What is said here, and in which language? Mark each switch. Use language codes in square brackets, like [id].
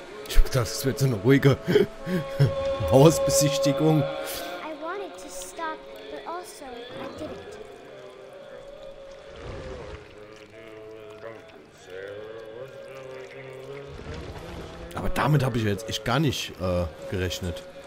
[de] Ich dachte, das wird so eine ruhige Hausbesichtigung. [en] I wanted to stop, but also I didn't. [de] Aber damit habe ich jetzt echt gar nicht gerechnet.